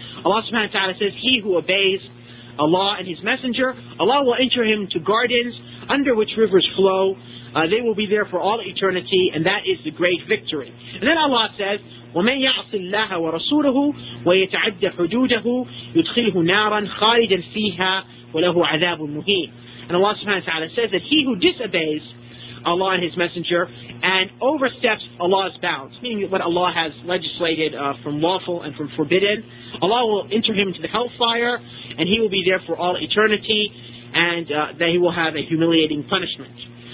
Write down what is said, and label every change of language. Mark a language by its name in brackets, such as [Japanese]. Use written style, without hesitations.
[English] Allah subhanahu wa ta'ala says, he who obeys Allah and his messenger, Allah will enter him to gardens under which rivers flow. They will be there for all eternity, and that is the great victory. And then Allah says, [Arabic] وَمَنْ يَعْصِ اللَّهَ وَرَسُولَهُ وَيَتَعَدَّ حُدُودَهُ يُدْخِلْهُ نَارًا خَالِدًا فِيهَا وَلَهُ عَذَابٌ مُهِينٌ. [English] And Allah subhanahu wa ta'ala says that he who disobeys Allah and his messenger and oversteps Allah's bounds, meaning what Allah has legislated from lawful and from forbidden, Allah will enter him into the hellfire and he will be there for all eternity, and that he will have a humiliating punishment.